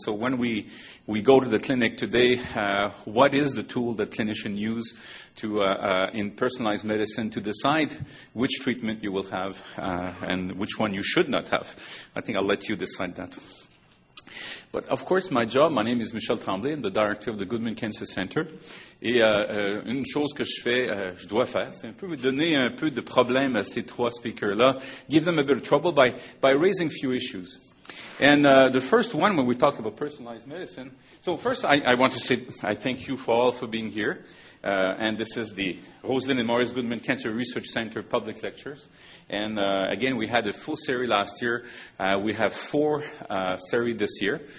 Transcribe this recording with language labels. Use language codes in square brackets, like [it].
[en] So when we go to the clinic today, what is the tool that clinicians use to in personalized medicine to decide which treatment you will have and which one you should not have? I think I'll let you decide that. But, of course, my job, my name is Michel Tremblay. I'm the director of the Goodman Cancer Center. [fr] Et une chose que je fais, je dois faire, c'est un peu donner un peu de problème à ces trois speakers-là, [en] give them a bit of trouble by raising a few issues. And the first one, when we talk about personalized medicine, so first I want to say I thank you for all for being here. And this is the Roslyn and Maurice Goodman Cancer Research Center public lectures. And again, we had a full series last year. We have four series this year.